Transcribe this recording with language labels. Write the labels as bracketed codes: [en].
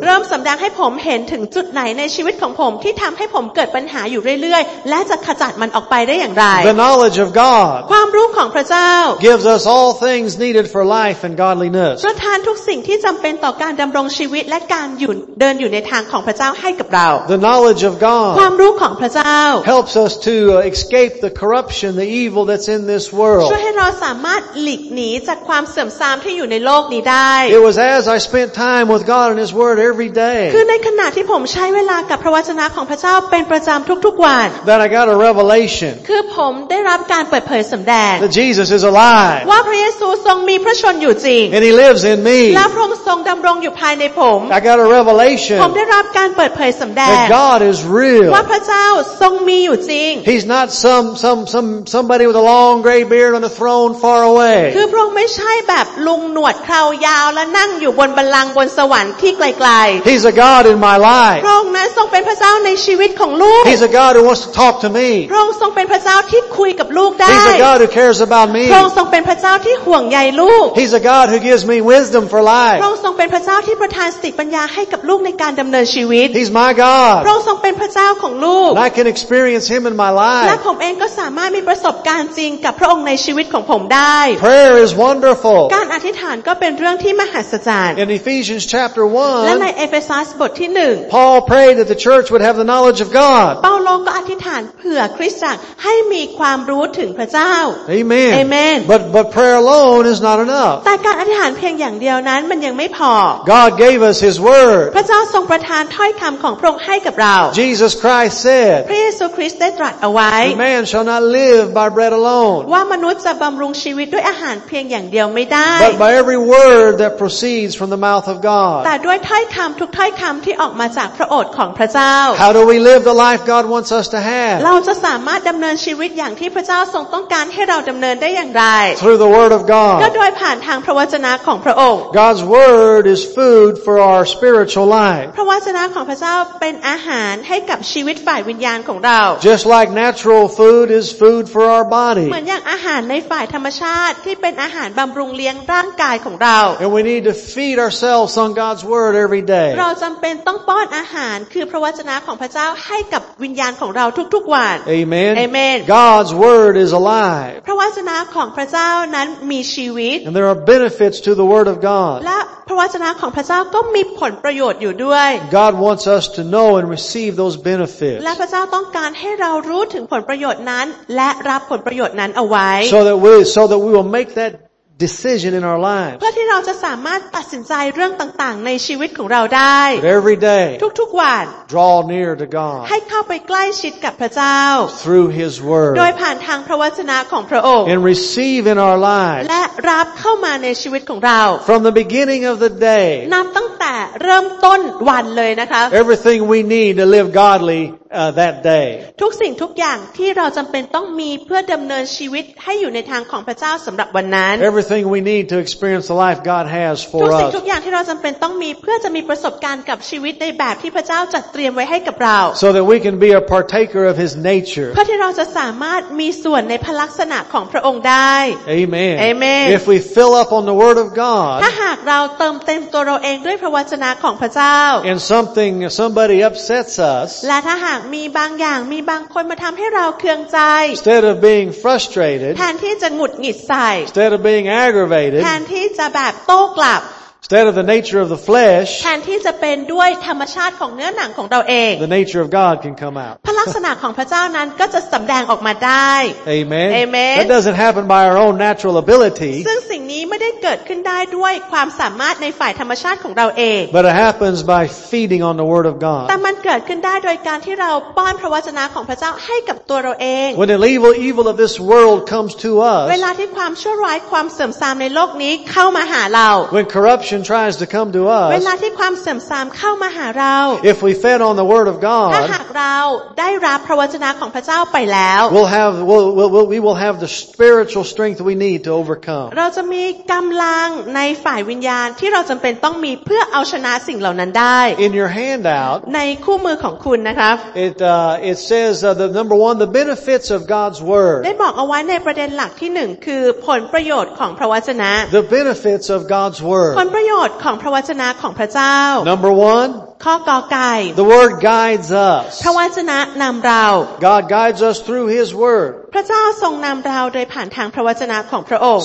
[th] เริ่มสำแดงให้ผมเห็นถึงจุดไหนในชีวิตของผมที่ทำให้ผมเกิดปัญหาอยู่เรื่อยๆและจะขจัดมันออกไปได้อย่างไร [en] The knowledge of God [th] ความรู้ของพระเจ้า [en] gives us all things needed for life and godliness [th] ประทานทุกสิ่งที่จำเป็นต่อการดำรงชีวิตและการเดินอยู่ในทางของพระเจ้าให้กับเรา [en] The knowledge of God [th] ความรู้ของพระเจ้า [en] helps us to escape the corruption the evil thatin this world [th] ช่วยให้เราสามารถหลีกหนีจากความเสื่อมทรามที่อยู่ในโลกนี้ได้ [en] It was as I spent time with God and His word every day [th] คือในขณะที่ผมใช้เวลากับพระวจนะของพระเจ้าเป็นประจำทุกๆวัน [en] that I got a revelation [th] คือผมได้รับการเปิดเผยสำแดง [en] that Jesus is alive [th] ว่าพระเยซูทรงมีพระชนอยู่จริง [en] and He lives in me [th] และพระองค์ทรงดำรงอยู่ภายในผม [en] I got a revelation [th] ผมได้รับการเปิดเผยสำแดง [en] that God is real [th] ว่าพระเจ้าทรงมีอยู่จริง [en] He's not somebody with a longLong gray beard on a throne far away. [th] คือพระองค์ไม่ใช่แบบลุงหนวดคราวยาวและนั่งอยู่บนบัลลังก์บนสวรรค์ที่ไกลๆ [en] He's a God in my life. [th] พระองค์นั้นทรงเป็นพระเจ้าในชีวิตของลูก [en] He's a God who wants to talk to me. [th] พระองค์ทรงเป็นพระเจ้าที่คุยกับลูกได้ [en] He's a God who cares about me. [th] พระองค์ทรงเป็นพระเจ้าที่ห่วงใยลูก [en] He's a God who gives me wisdom for life. [th] พระองค์ทรงเป็นพระเจ้าที่ประทานสติปัญญาให้กับลูกในการดำเนินชีวิต [en] He's my God. [th] พระองค์ทรงเป็นพระเจ้าของลูก [en] I can experience Him in my life. [th] และผมเองก็สามารถมีประสบการณ์กับพระองค์ในชีวิตของผมได้ [en] Prayer is wonderful [th] การอธิษฐานก็เป็นเรื่องที่มหัศจรรย์ [en] In Ephesians chapter 1 [th] และในเอเฟซัสบทที่1 [en] Paul prayed that the church would have the knowledge of God [th] เปาโลก็อธิษฐานเพื่อคริสตจักรให้มีความรู้ถึงพระเจ้า [en] Amen Amen But prayer alone is not enough [th] แต่การอธิษฐานเพียงอย่างเดียวนั้นมันยังไม่พอ [en] God gave us His word [th] พระเจ้าทรงประทานถ้อยคำของพระองค์ให้กับเรา [en] Jesus Christ said [th] พระเยซูคริสต์ได้ตรัสเอาไว้ [en] Man shall not live by bread alone alone. [th] ว่ามนุษย์จะบำรุงชีวิตด้วยอาหารเพียงอย่างเดียวไม่ได้ [en] But by every word that proceeds from the mouth of God. [th] แต่ด้วยถ้อยคำทุกถ้อยคำที่ออกมาจากพระโอษฐ์ของพระเจ้า [en] How do we live the life God wants us to have? [th] เราจะสามารถดำเนินชีวิตอย่างที่พระเจ้าทรงต้องการให้เราดำเนินได้อย่างไร [en] Through the word of God. [th] ก็โดยผ่านทางพระวจนะของพระองค์ [en] God's word is food for our spiritual life. [th] พระวจนะของพระเจ้าเป็นอาหารให้กับชีวิตฝ่ายวิญญาณของเรา [en] Just like natural food is food for our body. [th] เหมือนอย่างอาหารในฝ่ายธรรมชาติที่เป็นอาหารบำรุงเลี้ยงร่างกายของเรา [en] And we need to feed ourselves on God's word every day. [th] เราจำเป็นต้องป้อนอาหารคือพระวจนะของพระเจ้าให้กับวิญญาณของเราทุกๆวัน [en] Amen. Amen. God's word is alive. [th] พระวจนะของพระเจ้านั้นมีชีวิต [en] And there are benefits to the word of God. [th] และพระวจนะของพระเจ้าก็มีผลประโยชน์อยู่ด้วย [en] God wants us to know and receive those benefits. [th] และพระเจ้าต้องการให้เรารู้ถึงผลประโยชน์นั้นและรับผลประโยชน์นั้นเอาไว้ [en] so that we will make that decision in our lives. [th] เพื่อที่เราจะสามารถตัดสินใจเรื่องต่างๆในชีวิตของเราได้ [en] But every day. [th] ทุกๆวัน [en] draw near to God. [th] ให้เข้าไปใกล้ชิดกับพระเจ้า [en] through His word. [th] โดยผ่านทางพระวจนะของพระองค์ [en] and receive in our lives. [th] และรับเข้ามาในชีวิตของเรา [en] from the beginning of the day. [th] นับตั้งแต่เริ่มต้นวันเลยนะคะ [en] everything we need to live godlythat day [th] ทุกสิ่งทุกอย่างที่เราจําเป็นต้องมีเพื่อดําเนินชีวิตให้อยู่ในทางของพระเจ้าสําหรับวันนั้น [en] Everything we need to experience the life God has for us [th] ทุกสิ่งทุกอย่างที่เราจําเป็นต้องมีเพื่อจะมีประสบการณ์กับชีวิตในแบบที่พระเจ้าจัดเตรียมไว้ให้กับเรา [en] So that we can be a partaker of his nature [th] เพื่อที่เราจะสามารถมีส่วนในพระลักษณะของพระองค์ได้ [en] Amen Amen If we fill up on the word of God [th] ถ้าหากเราเติมเต็มตัวเราเองด้วยพระวจนะของพระเจ้า [en] And something somebody upsets us [th] และถ้ามีบางคนมาทำให้เราเคืองใจ [en] Instead of being frustrated [th] แทนที่จะหงุดหงิดใส่ [en] Instead of being aggravated [th] แทนที่จะแบบโต้กลับ [en] Instead of the nature of the flesh [th] แทนที่จะเป็นด้วยธรรมชาติของเนื้อหนังของเราเอง [en] The nature of God can come out [th] พระลักษณะของพระเจ้านั้นก็จะสำแดงออกมาได้ [en] Amen Amen That doesn't happen by our own natural ability [th] ซึ่งสิ่งนี้ไม่ได้เกิดขึ้นได้ด้วยความสามารถในฝ่ายธรรมชาติของเราเอง [en] But it happens by feeding on the word of God [th] แต่มันเกิดขึ้นได้โดยการที่เราป้อนพระวจนะของพระเจ้าให้กับตัวเราเอง [en] When the evil of this world comes to us [th] เวลาที่ความชั่วร้ายความเสื่อมทรามในโลกนี้เข้ามาหาเรา [en] When corruption tries to come to us [th] เวลาที่ความเสื่อมทรามเข้ามาหาเรา [en] If we fed on the word of God [th] ถ้าหากเราได้รับพระวจนะของพระเจ้าไปแล้ว [en] we will have the spiritual strength we need to overcome [th] เราจะมีกำลังในฝ่ายวิญญาณที่เราจำเป็นต้องมีเพื่อเอาชนะสิ่งเหล่านั้นได้ [en] In your handout [th] ในคู่มือของคุณนะคะ [en] It says the number one the benefits of God's word [th] ได้บอกเอาไว้ในประเด็นหลักที่หนึ่งคือผลประโยชน์ของพระวจนะ [en] The benefits of God's word [th] ผลประโยชน์ของพระวจนะของพระเจ้า [en] Number one [th] ข้อกอไก่ [en] The word guides us [th] พระวจนะนำเรา [en] God guides us through His word [th] พระเจ้าทรงนำเราโดยผ่านทางพระวจนะของพระองค์